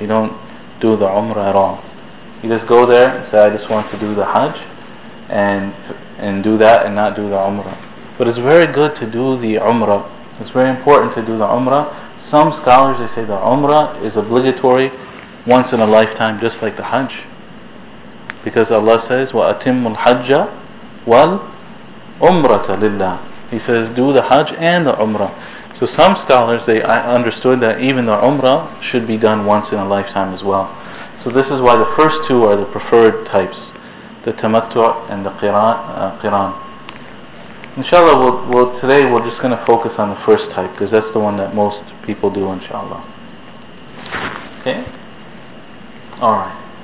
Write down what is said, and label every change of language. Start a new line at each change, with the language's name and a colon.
English: You don't do the Umrah at all. You just go there and say, I just want to do the Hajj, and do that and not do the Umrah. But it's very good to do the Umrah. It's very important to do the Umrah. Some scholars, they say the Umrah is obligatory once in a lifetime, just like the Hajj. Because Allah says,
Arabic: وَأَتِمُّ الْحَجَّ وَالْأُمْرَةَ لِلَّهِ.
English: He says, do the Hajj and the Umrah. So some scholars, they understood that even the Umrah should be done once in a lifetime as well. So this is why the first two are the preferred types, the Tamattu' and the Qiran. Inshallah, today we're just going to focus on the first type, because that's the one that most people do, inshallah. Okay? Alright.